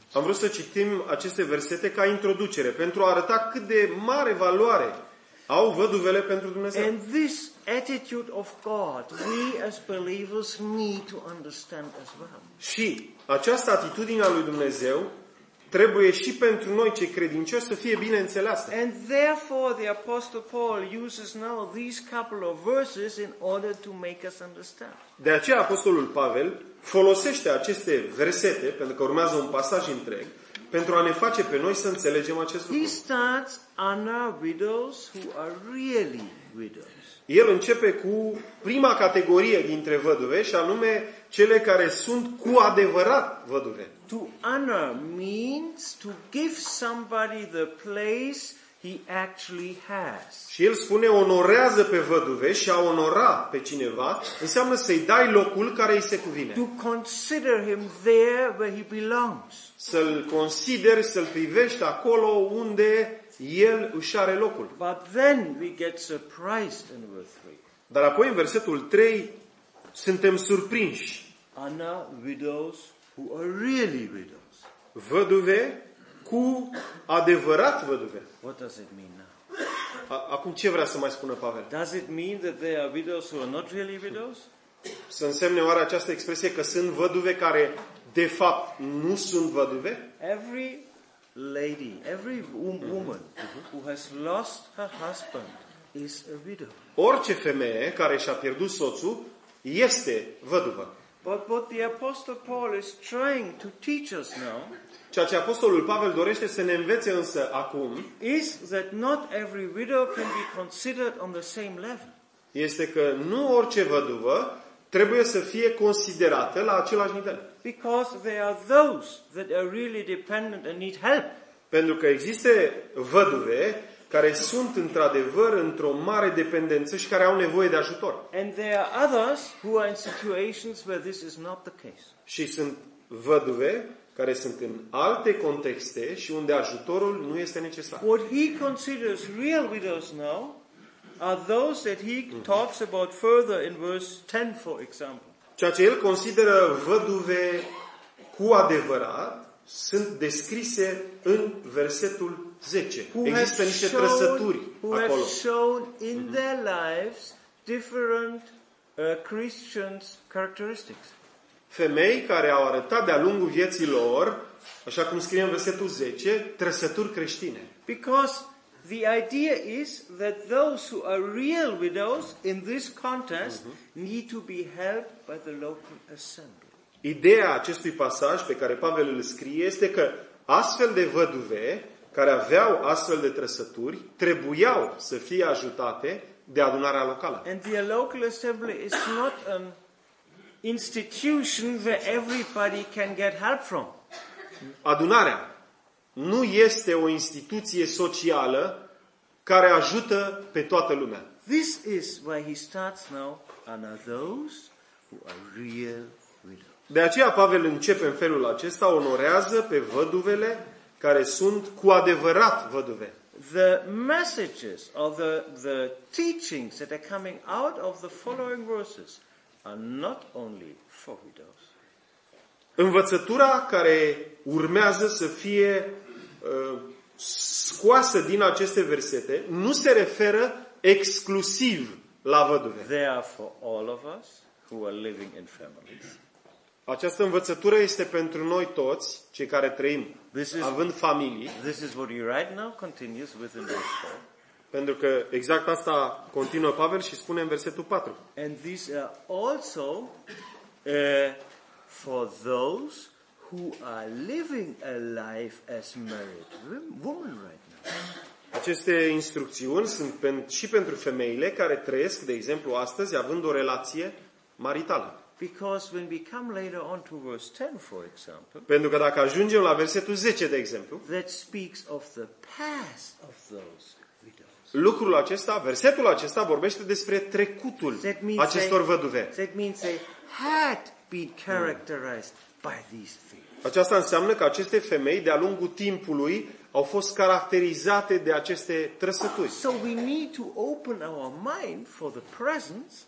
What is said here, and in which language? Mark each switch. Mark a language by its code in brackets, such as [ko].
[ro] Am vrut să citim aceste versete ca introducere pentru a arăta cât de mare valoare au văduvele pentru Dumnezeu. [en] And this attitude of God, we as believers need to understand as well. [ro] Și această atitudine a lui Dumnezeu trebuie și pentru noi cei credincioși să fie bine înțeleasă. [en] And therefore the apostle Paul uses now these couple of verses in order to make us understand. [ro] De aceea apostolul Pavel folosește aceste versete, pentru că urmează un pasaj întreg, pentru a ne face pe noi să înțelegem acest lucru. [en] He starts under widows who are really widows. [ro] El începe cu prima categorie dintre văduve, și anume cele care sunt cu adevărat văduve. [en] To honor means to give somebody the place he actually has. [ro] Și el spune onorează pe văduve, și a onora pe cineva înseamnă să-i dai locul care îi se cuvine. [en] To consider him there where he belongs. [ro] Să-l consideri, să-l privești acolo unde el își are locul. [en] But then we get surprised in verse 3. [ro] Dar apoi în versetul 3 suntem surprinși. [en] Anna widows who are really widows. [ro] Văduve cu adevărat văduve. [en] What does it mean now? [ro] Acum ce vrea să mai spună Pavel? [en] Does it mean that there are widows who are not really widows? [ro] Să însemne oare această expresie că sunt văduve care de fapt nu sunt văduve? [en] Every lady, every woman who has lost her husband is a widow. [ro] Orice femeie care și-a pierdut soțul este văduvă. [en] But what the apostle Paul is trying to teach us now, [ro] ceea ce apostolul Pavel dorește să ne învețe însă acum, [en] is that not every widow can be considered on the same level. [ro] Este că nu orice văduvă trebuie să fie considerată la același nivel. [en] Because there are those that are really dependent and need help. [ro] Pentru că există văduve care sunt într-adevăr într-o mare dependență și care au nevoie de ajutor. [en] And there are others who are in situations where this is not the case. [ro] Și sunt văduve care sunt în alte contexte și unde ajutorul nu este necesar. [en] What he considers real widows now are those that he talks about further in verse 10, for example. [ro] Ceea ce el consideră văduve cu adevărat sunt descrise în versetul 10. Există niște trăsături acolo. [en] Who have shown in their lives different Christians' characteristics. [ro] Femei care au arătat de-a lungul vieții lor, așa cum scrie în versetul 10, trăsături creștine. [en] Because the idea is that those who are real widows in this context need to be helped by the local assembly. [ro] Ideea acestui pasaj pe care Pavel îl scrie este că astfel de văduve care aveau astfel de trăsături trebuiau să fie ajutate de adunarea locală. [en] And the local assembly is not an institution where everybody can get help from. [ro] Adunarea nu este o instituție socială care ajută pe toată lumea. [en] This is why he starts now on those who are real widows. [ro] De aceea Pavel începe în felul acesta, onorează pe văduvele care sunt cu adevărat văduve. [en] The messages or the teachings that are coming out of the following verses are not only for widows. [ro] Învățătura care urmează să fie scoasă din aceste versete nu se referă exclusiv la văduve. [en] They are for all of us who are living in families. [ro] Această învățătură este pentru noi toți, cei care trăim având familii. [en] This is what he right now continues with in verse 4. [ro] Pentru că exact asta continuă Pavel și spune în versetul 4. [en] And these are also for those who are living a life as married women right now. [ro] Aceste instrucțiuni sunt și pentru femeile care trăiesc, de exemplu, astăzi având o relație maritală. [en] Because when we come later on to verse 10, for example. [ro] Pentru că dacă ajungem la versetul 10, de exemplu, [en] that speaks of the past of those. [ro] Lucrul acesta, versetul acesta vorbește despre trecutul acestor văduve. [en] That means they had been characterized by these things. [ro] Aceasta înseamnă că aceste femei de-a lungul timpului au fost caracterizate de aceste trăsături. [en] So we need to open our mind for the present.